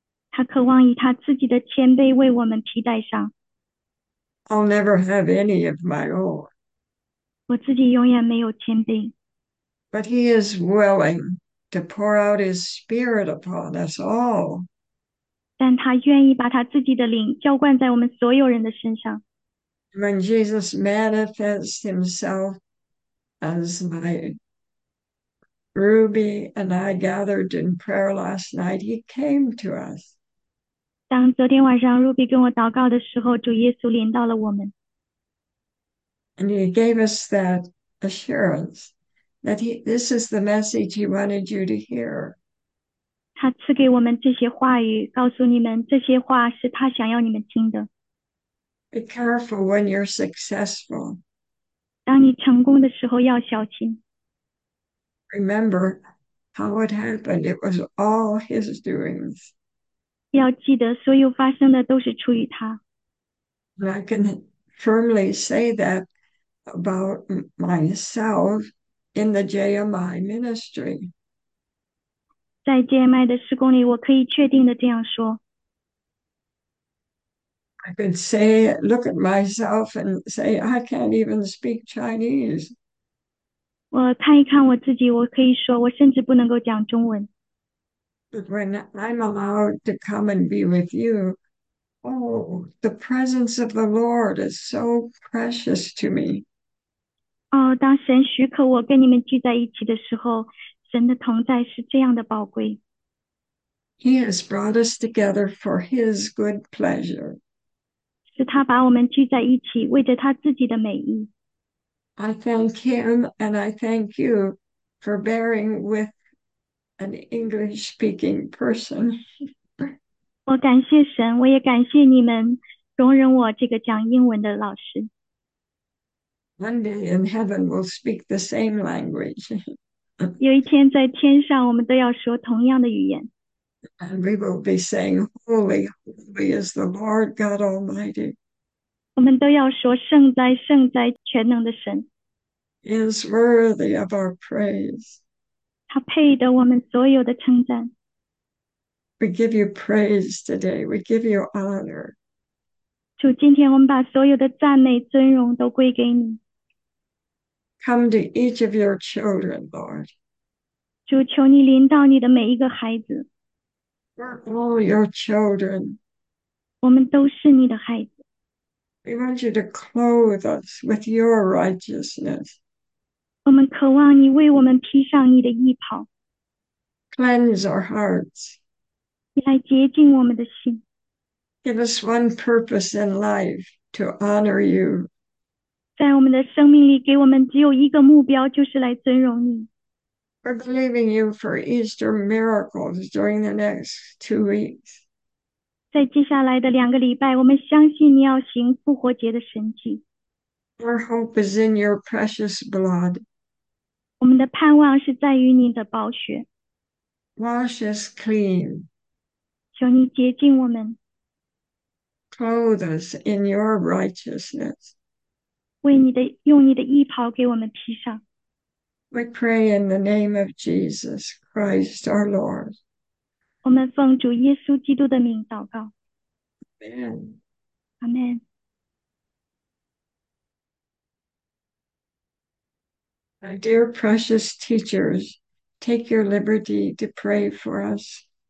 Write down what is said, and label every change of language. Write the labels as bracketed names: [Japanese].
[Chinese] 他渴望以他自己的谦卑为我们披戴上。 [English] I'll never have any of my own. [Chinese] 我自己永远没有谦卑。 [English] But he is willing to pour out his spirit upon us all. [Chinese] 但他愿意把他自己的灵浇灌在我们所有人的身上。 [English] When Jesus manifests himself as my ruby and I gathered in prayer last night, he came to us. [Chinese] 当昨天晚上 Ruby 跟我祷告的时候，主耶稣临到了我们。 [English] And he gave us that assurance. This is the message he wanted you to hear. [Chinese] 他赐给我们这些话语，告诉你们这些话是他想要你们听的。 [English] Be careful when you're successful. [Chinese] 当你成功的时候要小心。 [English] Remember how it happened. It was all his doings. [Chinese] 要记得所有发生的都是出于他。 [English] And I can firmly say that about myself. In the JMI ministry. [Chinese] 在 JMI 的施工里，我可以确定的这样说。 [English] I could say, look at myself and say, I can't even speak Chinese. [Chinese] 我看一看我自己，我可以说，我甚至不能够讲中文。 [English] But when I'm allowed to come and be with you, Oh, the presence of the Lord is so precious to me. [Chinese] 哦，当神许可我跟你们聚在一起的时候，神的同在是这样的宝贵。 [English] He has brought us together for his good pleasure. [Chinese] 是他把我们聚在一起，为着他自己的美意。 [English] I thank him and I thank you for bearing with an English-speaking person. [Chinese] 我感谢神，我也感谢你们容忍我这个讲英文的老师。 [English] One day in heaven, we'll speak the same language. [Chinese] 有一天在天上，我们都要说同样的语言。 [English] And we will be saying, Holy, holy is the Lord God Almighty. [Chinese] 我们都要说圣哉圣哉，全能的神， [English] He is worthy of our praise. [Chinese] 他配得我们所有的称赞。 [English] We give you praise today. We give you honor. [Chinese] 主，今天我们把所有的赞美尊荣都归给你。 [English] Come to each of your children, Lord. [Chinese] 主，求你临到你的每一个孩子， [English] We're all your children. [Chinese] 我们都是你的孩子。 [English] We want you to clothe us with your righteousness. [Chinese] 我们渴望你为我们披上你的衣袍， [English] Cleanse our hearts. [Chinese] 你来洁净我们的心。 [English] Give us one purpose in life to honor you. [Chinese] 在我们的生命里，给我们只有一个目标，就是来尊荣你。 [English] We're believing you for Easter miracles during the next 2 weeks. [Chinese] 在接下来的2个礼拜，我们相信你要行复活节的神迹。 [English] Our hope is in your precious blood. [Chinese] 我们的盼望是在于你的宝血， [English] Wash us clean. [Chinese] 求你洁净我们， [English] Clothe us in your righteousness. [Chinese] 为你的，用你的衣袍给我们披上。 [English] We pray in the name of Jesus Christ, our Lord. [Chinese] 我们奉主耶稣基督的名祷告， [English] Amen. [Chinese] 阿门。 [English] My dear precious teachers, take your liberty to pray for us.